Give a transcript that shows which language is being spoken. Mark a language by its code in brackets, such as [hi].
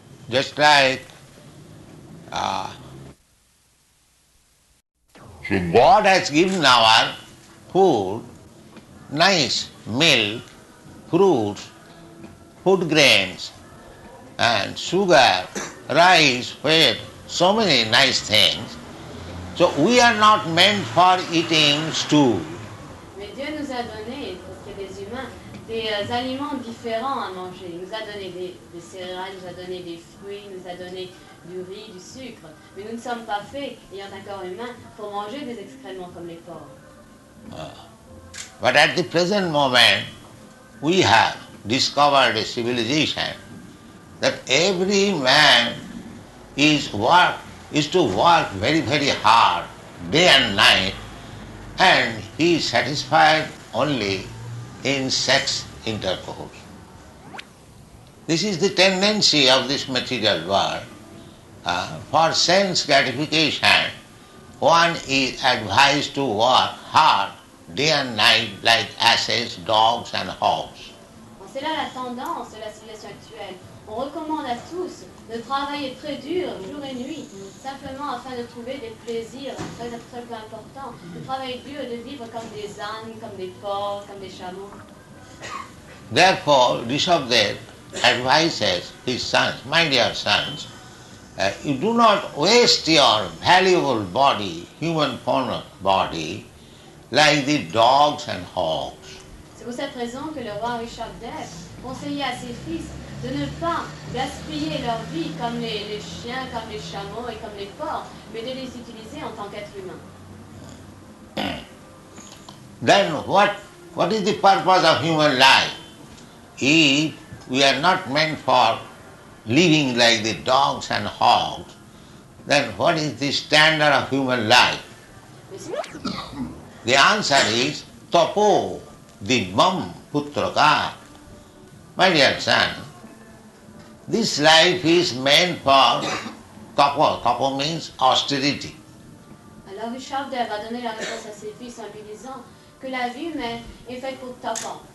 [en] Just like so God has given our food, nice milk, fruits, food grains, and sugar, rice, wheat, so many nice things. So we are not meant for eating stew. [fr] Mais Dieu nous a donné, parce qu'il y a des humains, des aliments différents à manger. Il nous a donné des céréales, il nous a donné des fruits, il nous a donné du riz, du sucre. Mais nous ne sommes pas faits, ayant un corps humain, pour manger des excréments comme les porcs. [en] But at the present moment, we have discovered a civilization that every man is to work very, very hard, day and night, and he is satisfied only in sex intercourse. This is the tendency of this material world. For sense gratification, one is advised to work hard, day and night, like asses, dogs and hogs. [fr] C'est là la tendance de la situation actuelle. On recommande à tous de travailler très dur, jour et nuit, simplement afin de trouver des plaisirs très, très, très importants. De travailler dur, de vivre comme des ânes, comme des porcs, comme des chameaux. [en] Therefore, Rishabhdev advises his sons, my dear sons, you do not waste your valuable body, human body, like the dogs and hogs. [fr] Pour cette raison que le roi Rishabhdev conseillait à ses fils de ne pas gaspiller leur vie comme les chiens, comme les chameaux et comme les porcs, mais de les utiliser en tant qu'êtres humains. [en] Then what is the purpose of human life if we are not meant for living like the dogs and hogs? Then what is the standard of human life? The answer is tapo. The mam putraka. My dear son, this life is meant for tapa. Tapa means austerity. [fr] Alors Rishabhdev a donné la réponse à ses fils en lui disant que la vie humaine est faite pour tapa.